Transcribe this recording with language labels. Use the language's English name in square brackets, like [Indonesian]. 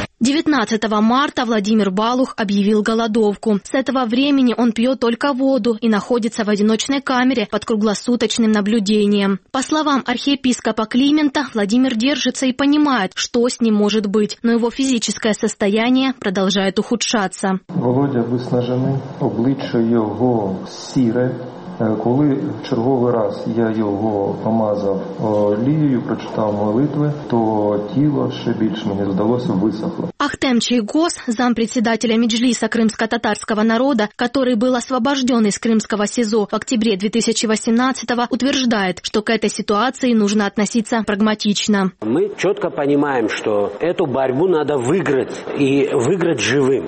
[Russian] 19 марта Владимир Балух объявил голодовку. С этого времени он пьет только воду и находится в одиночной камере под круглосуточным наблюдением. По словам архиепископа Климента, Владимир держится и понимает, что с ним может быть, но его физическое состояние продолжает ухудшаться. [Ukrainian] Володя виснажений, обличчя його сіре. Коли в черговий раз я його помазав олією, прочитав молитви, то тіло ще більше мені здалося висохло. [Russian] Ахтем Чайгоз, зампредседателя Меджлиса Крымско-Татарского народа, который был освобожден из Крымского СИЗО в октябре 2018-го, утверждает, что к этой ситуации нужно относиться прагматично. Мы четко понимаем, что эту борьбу надо выиграть и выиграть живым.